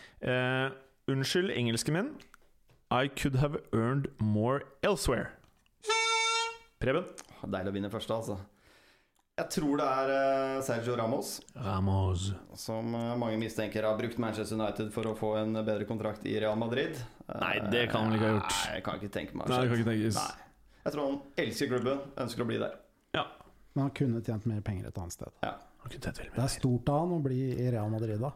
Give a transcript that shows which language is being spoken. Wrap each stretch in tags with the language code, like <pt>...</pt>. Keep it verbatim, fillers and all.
<en>uh,</en> <no>Unnskyld, engelsken min,</no> <en>I could have earned more elsewhere.</en> <no>Preben? Deilig å vinne første, altså. Jeg tror det er Sergio Ramos Ramos som mange mistenker har brukt Manchester United for å få en bedre kontrakt i Real Madrid. Nei, det kan han ikke ha gjort. Nei, jeg kan ikke tenke meg Nei, det kan ikke tenkes. Nei. Jeg tror han elsker klubben, ønsker å bli der. Ja. Men han kunne tjent mer penger et annet sted. Ja. Det er stort av han å bli i Real Madrid da.</no>